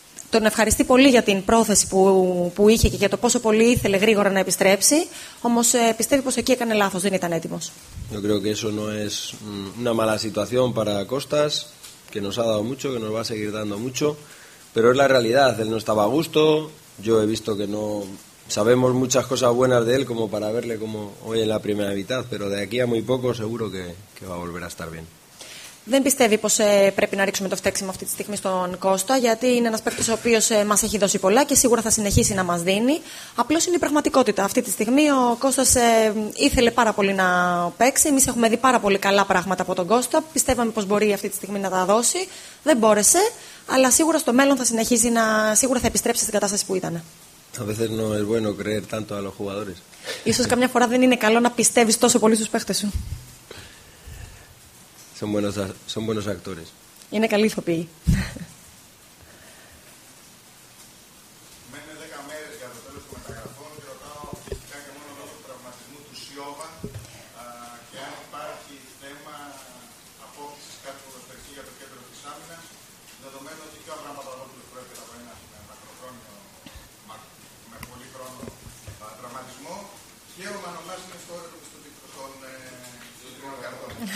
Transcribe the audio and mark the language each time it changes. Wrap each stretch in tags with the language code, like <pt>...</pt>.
<el>Τον ευχαριστεί πολύ για την πρόθεση που είχε και για το πόσο πολύ ήθελε γρήγορα να επιστρέψει, όμως πιστεύει πως εκεί έκανε λάθος, δεν ήταν έτοιμος.</el> <es>Yo creo que eso no es una mala situación para Costas, que nos ha dado mucho, que nos va a seguir dando mucho. Pero es la realidad, él no estaba a gusto, yo he visto que no sabemos muchas cosas buenas de él como para verle como hoy en la primera mitad, pero de aquí a muy poco seguro que va a volver a estar bien.</es> <el>δεν πιστεύει πως πρέπει να ρίξουμε το φταίξιμο αυτή τη στιγμή στον Κώστα, γιατί είναι ένας παίκτης ο οποίος μας έχει δώσει πολλά και σίγουρα θα συνεχίσει να μας δίνει. Απλώς είναι η πραγματικότητα. Αυτή τη στιγμή ο Κώστας ήθελε πάρα πολύ να παίξει. Εμείς έχουμε δει πάρα πολύ καλά πράγματα από τον Κώστα. Πιστεύαμε πως μπορεί αυτή τη στιγμή να τα δώσει. Δεν μπόρεσε, αλλά σίγουρα στο μέλλον θα συνεχίσει να. Σίγουρα θα επιστρέψει στην κατάσταση που ήταν.</el> <es>A veces no es bueno creer tanto a los jugadores.</es> <el>Ίσως καμιά φορά δεν είναι καλό να πιστεύεις τόσο πολύ στους παίχτες σου.</el> <es>Son buenos actores.</es> <el>Είναι καλοί ηθοποιοί. Μένουν 10 μέρες για το τέλος των μεταγραφών και ρωτάω φυσικά και μόνο λόγω του τραυματισμού του Σιώβα και αν υπάρχει θέμα απόκτησης κάποιου προσπαθεί για το κέντρο της άμυνας, δεδομένου ότι και ο Αβραμοπαδόπουλος πρόκειται από ένα μακροχρόνιο με πολύ χρόνο τραυματισμό και ο Μανολάς είναι στο όριο των πιστοτικών καρδών.</el>